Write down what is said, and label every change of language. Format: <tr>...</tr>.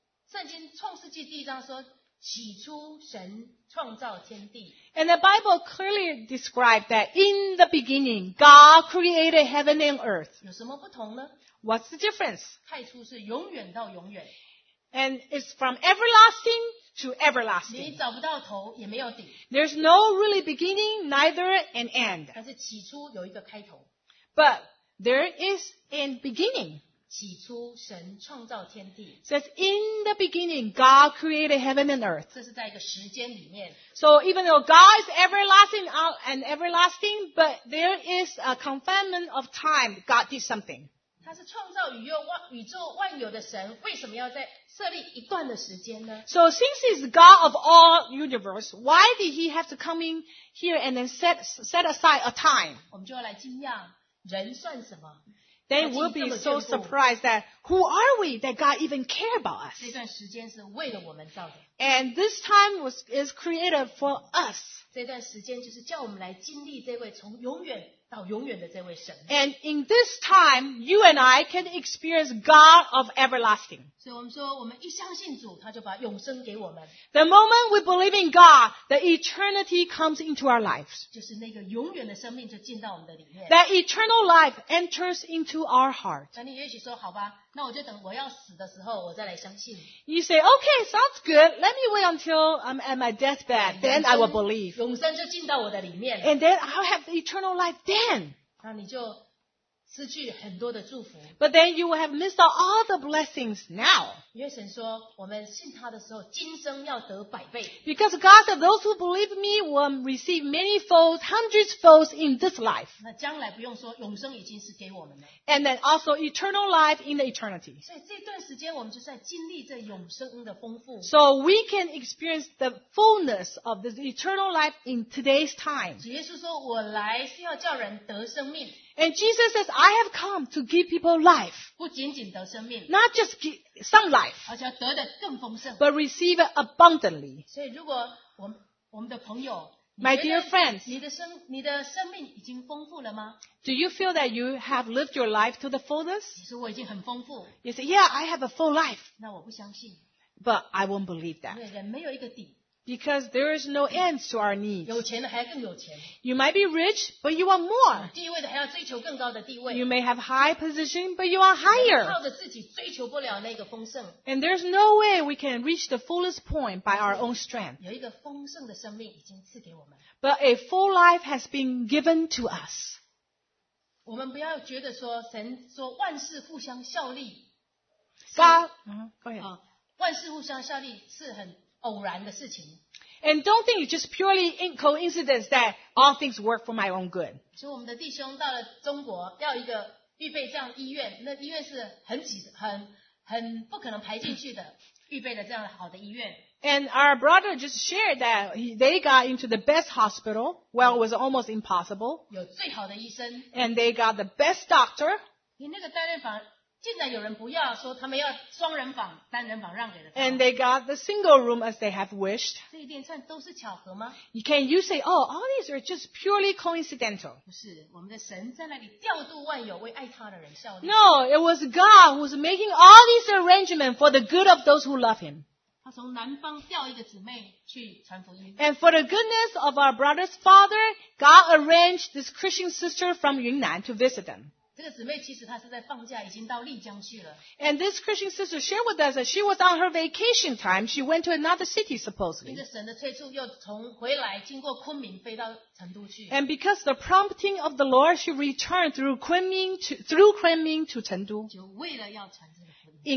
<zh>圣经创世纪第一章说，起初神创造天地。</zh> <en>And the Bible clearly described that in the beginning, God created heaven and earth.</en> <zh>有什么不同呢？</zh> <en>What's the difference?</en> <zh>太初是永远到永远。</zh> <en>And it's from everlasting to everlasting.</en> <zh>你找不到头，也没有底。</zh> <en>There's no really beginning, neither an end.</en> <zh>但是起初有一个开头。</zh> <en>But there is a beginning.</en> <zh>起初神创造天地。</zh> <en>Says in the beginning, God created heaven and earth.</en> <zh>这是在一个时间里面。</zh> <en>So even though God is everlasting and everlasting, but there is a confinement of time. God did something.</en> <zh>他是创造宇宙万有的神，为什么要在设立一段的时间呢？</zh> <en>So since he's God of all universe, why did he have to come in here and then set aside a time?</en> <zh>我们就要来惊讶，人算什么？</zh> <en>They will be so surprised that who are we that God even care about us?</en> <zh>这段时间是为了我们造的。</zh> <en>And this time is created for us.</en> <zh>这段时间就是叫我们来经历这位从永远到永远的这位神。</zh> <en>And in this time, you and I can experience God of everlasting.</en> <zh>所以我们说，我们一相信主，他就把永生给我们。</zh> <en>The moment we believe in God, the eternity comes into our lives.</en> <zh>就是那个永远的生命就进到我们的里面。</zh> <en>That eternal life enters into our heart.</en> <zh>那你也许说，好吧，那我就等我要死的时候，我再来相信。</zh> <en>You say, okay, sounds good. Let me wait until I'm at my deathbed, then I will believe.</en> <zh>永生就进到我的里面。</zh> <en>And then I'll have eternal life then.</en> <zh>那你就失去很多的祝福。</zh> <en>But then you will have missed out all the blessings now.</en> <zh>因为神说，我们信他的时候，今生要得百倍。</zh> <en>Because God said, those who believe me will receive many folds, hundreds folds in this life.</en> <zh>那将来不用说，永生已经是给我们了。</zh> <en>And then also eternal life in the eternity.</en> <zh>所以这段时间我们就在经历这永生的丰富。</zh> <en>So we can experience the fullness of this eternal life in today's time.</en> <zh>耶稣说，我来是要叫人得生命。</zh> <en>And Jesus says, I have come to give people life.</en> <zh>不仅仅得生命。</zh> <en>Not just give some life.</en> <zh>而且要得得更丰盛。</zh> <en>But receive it abundantly.</en> <zh>所以如果我们的朋友，</zh> <en>My dear friends,</en> <zh>你的生命已经丰富了吗？</zh> <en>Do you feel that you have lived your life to the fullest?</en> <zh>你说我已经很丰富。</zh> <en>You say, yeah, I have a full life.</en> <zh>那我不相信。</zh> <en>But I won't believe that.</en> <zh>因为人没有一个底。</zh> <en>Because there is no end to our needs.</en> <zh>有钱的还要更有钱。</zh> <en>You might be rich, but you want more.</en> <zh>有地位的还要追求更高的地位。</zh> <en>You may have high position, but you want higher.</en> <zh>靠着自己追求不了那个丰盛。</zh> <en>And there's no way we can reach the fullest point by our own strength.</en> <zh>有一个丰盛的生命已经赐给我们。</zh> <en>But a full life has been given to us.</en> <zh>我们不要觉得说神说万事互相效力。</zh> <en>Go ahead.</en> <zh>万事互相效力是很偶然的事情。</zh> <en>And don't think it's just purely in coincidence that all things work for my own good.</en> <zh>所以我们的弟兄到了中国，要一个预备这样医院，那医院是很挤、很不可能排进去的，预备了这样好的医院。</zh> <en>And our brother just shared that they got into the best hospital. Well, it was almost impossible.</en> <zh>有最好的医生。</zh> <en>And they got the best doctor.</en> <zh>你那个单人房竟然有人不要，说他们要双人房，单人房让给了他。</zh> <en>And they got the single room as they have wished.</en> <zh>这一连串都是巧合吗？</zh> <en>Can you say, oh, all these are just purely coincidental?</en> <zh>不是，我们的神在那里调度万有，为爱他的人效力。</zh> <en>No, it was God who was making all these arrangements for the good of those who love him.</en> <zh>他从南方调一个姊妹去传福音。</zh> <en>And for the goodness of our brother's father, God arranged this Christian sister from Yunnan to visit them.</en> <zh>这个姊妹其实她是在放假，已经到丽江去了。</zh> <en>And this Christian sister shared with us that she was on her vacation time. She went to another city, supposedly.</en> <zh>因着神的催促，又从回来经过昆明飞到成都去。</zh> <en>And because the prompting of the Lord, she returned through Kunming to 成都。</en> <zh>就为了要传这个福音。</zh>